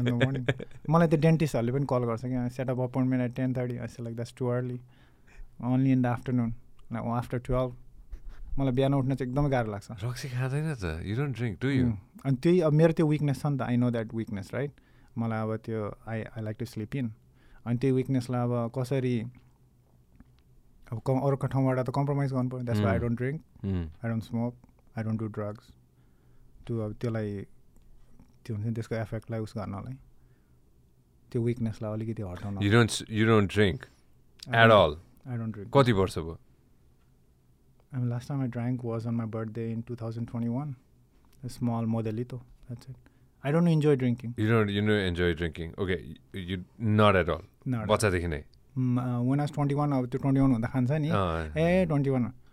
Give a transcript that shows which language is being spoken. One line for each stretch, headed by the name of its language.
English: And I said, no, shit, yeah. I can't do it in the morning. I set up appointment at 10:30. I said, like, that's too early. Only in the afternoon. Now, after 12.
Nepali: मलाई बिहान उठ्न चाहिँ एकदमै गाह्रो लाग्छ रक्सी खाँदैन त
English: you don't drink do you
Nepali: अनि त्यही अब मेरो त्यो विकनेस छ नि त
English: I know that weakness right
Nepali: मलाई अब त्यो
English: I like to slip in
Nepali: अनि त्यही विकनेसलाई अब कसरी अब अर्को ठाउँबाट त कम्प्रोमाइज गर्नु पऱ्यो
English: that's I don't drink I don't smoke I don't do drugs
Nepali: त्यो अब त्यसलाई त्यो हुन्छ नि त्यसको एफेक्टलाई उस गर्नलाई त्यो विकनेसलाई अलिकति हटाउन कति वर्ष भयो
English: And last time I drank was on my birthday in 2021. A small modelito, that's it. I don't enjoy drinking. You don't enjoy drinking. Okay, you not at all. Not What's that? Right. When I was 21, I was 21. Oh, yeah. 21.